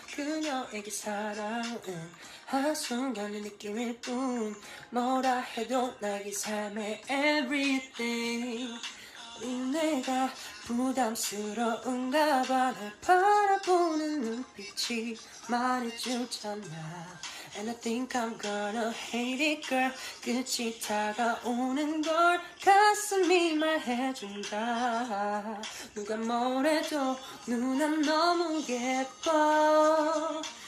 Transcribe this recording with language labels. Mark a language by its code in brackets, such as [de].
[ko] 그녀에게 사랑은 한순간의 느낌일 뿐 뭐라 해도 나의 삶의 everything. 내가 부담스러운가 봐. 날 바라보는 눈빛이 말해주잖아. [en] And I think I'm gonna hate it, girl. [ko] 끝이 다가오는 걸 가슴이 말해준다. 누가 뭐래도 누나 너무 예뻐.